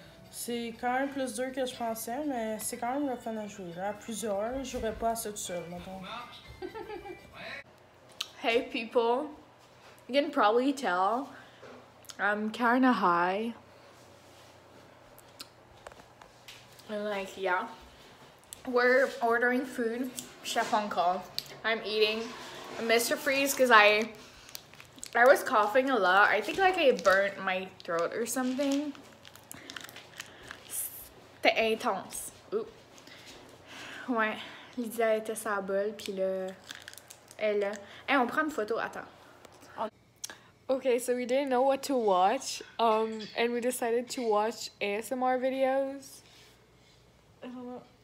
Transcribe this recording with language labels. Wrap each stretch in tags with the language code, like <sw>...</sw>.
<fr>C'est quand même plus dur que je pensais, mais c'est quand même le fun à jouer. À plusieurs, je jouerais pas à ça tout seul, mettons.</fr> <en>Hey people, you can probably tell, I'm kinda high. And like, yeah. We're ordering food, chef on call. I'm eating a Mr. Freeze because I was coughing a lot. I think like I burnt my throat or something.</en> <fr>C'était intense. Oup. Ouais. Lydia était sa bulle, puis là, elle a... Hey, on prend une photo, attends.</fr> <en>Okay, so we didn't know what to watch, and we decided to watch ASMR videos. I don't know.</en>